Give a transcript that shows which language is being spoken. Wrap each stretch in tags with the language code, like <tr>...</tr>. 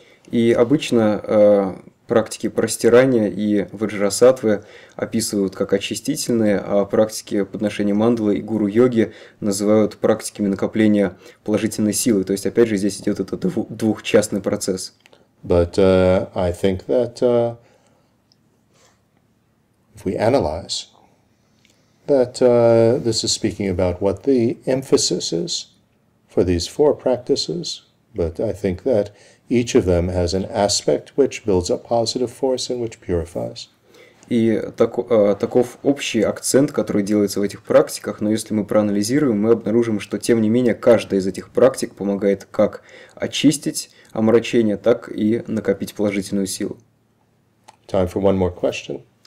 <ru>И обычно практики простирания и ваджрасатвы описывают как очистительные, а практики подношения мандалы и гуру йоги называют практиками накопления положительной силы. То есть опять же здесь идет этот двухчастный процесс.</ru> <en>But I think that if we analyze that this is speaking about what the emphasis is for these four practices, but I think that each of them has an aspect which builds up positive force and which purifies.</en> <ru>И таков общий акцент, который делается в этих практиках, но если мы проанализируем, мы обнаружим, что тем не менее каждая из этих практик помогает как очистить омрачение, так и накопить положительную силу.</ru> <en>Time for one more question.</en>